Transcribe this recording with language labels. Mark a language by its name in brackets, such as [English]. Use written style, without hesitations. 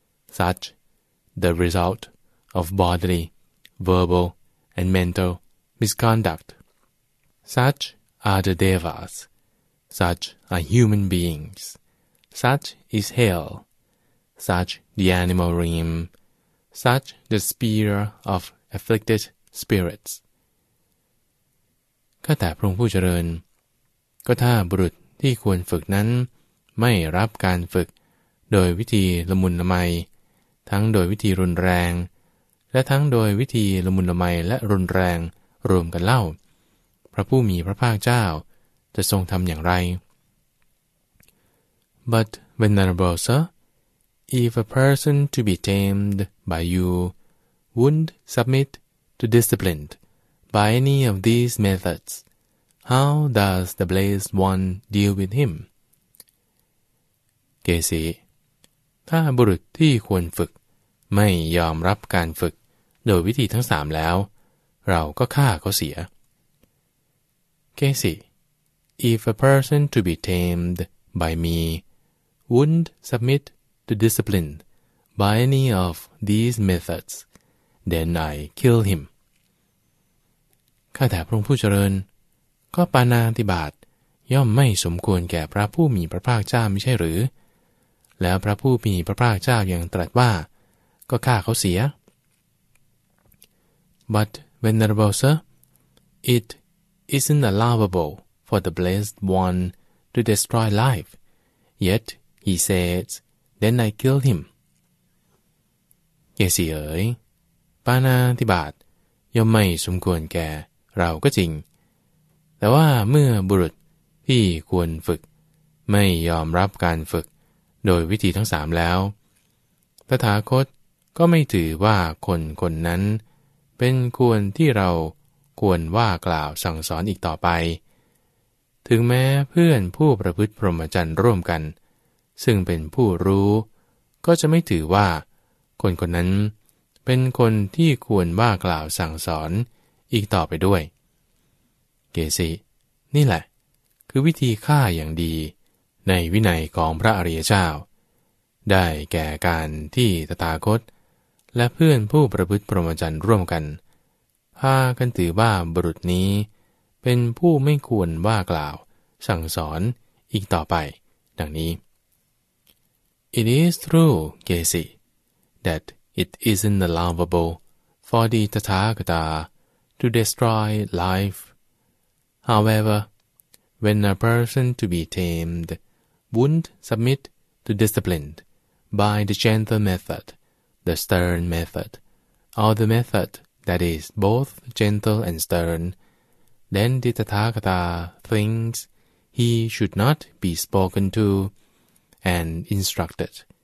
[English] Such the result of bodily, verbal, and mental misconduct. Such are the devas. Such are human beings. Such is hell. Such the animal realm. Such the sphere of afflicted spirits. [Thai] ข้าแต่พระองค์ผู้เจริญก็ถ้าบุรุษที่ควรฝึกนั้นไม่รับการฝึกโดยวิธีละมุนละไมทั้งโดยวิธีรุนแรงและทั้งโดยวิธีละมุนละไมและรุนแรงรวมกันเล่าพระผู้มีพระภาคเจ้าจะทรงทำอย่างไร [English] But venerable sir, if a person to be tamed by you wouldn't submit to discipline by any of these methods, how does the blessed one deal with him? [Thai] เกสิถ้าบุรุษที่ควรฝึกไม่ยอมรับการฝึกโดยวิธีทั้งสามแล้วเราก็ฆ่าเขาเสีย [English] เกสิ If a person to be tamed by me wouldn't submit to discipline by any of these methods, then I kill him. [Thai] ข้าแต่พระองค์ผู้เจริญก็ปานาติบาตย่อมไม่สมควรแก่พระผู้มีพระภาคเจ้าไม่ใช่หรือแล้วพระผู้มีพระภาคเจ้ายังตรัสว่าก็ฆ่าเขาเสีย [English] But venerable sir, it isn't allowable for the blessed one to destroy life. Yet he says, then I kill him. [Thai] เยสีเอ๋ยปานาติบาตย่อมไม่สมควรแก่เราก็จริงแต่ว่าเมื่อบุรุษที่ควรฝึกไม่ยอมรับการฝึกโดยวิธีทั้งสามแล้วตถาคตก็ไม่ถือว่าคนคนนั้นเป็นควรที่เราควรว่ากล่าวสั่งสอนอีกต่อไป ถึงแม้เพื่อนผู้ประพฤติพรหมจรรย์ร่วมกันซึ่งเป็นผู้รู้ก็จะไม่ถือว่าคนคนนั้นเป็นคนที่ควรว่ากล่าวสั่งสอนอีกต่อไปด้วย เกสินี่แหละคือวิธีฆ่าอย่างดีในวินัยของพระอริยเจ้าได้แก่การที่ตถาคตและเพื่อนผู้ประพฤติพรหมจรรย์ร่วมกันพากันถือว่าบุรุษนี้เป็นผู้ไม่ควรว่ากล่าวสั่งสอนอีกต่อไปดังนี้ [English] It is true, Kesi, that it isn't allowable for the Tathagata to destroy life. HoweverWhen a person to be tamed wouldn't submit to discipline by the gentle method, the stern method, or the method that is both gentle and stern, then the Tathagata thinks he should not be spoken to and instructed.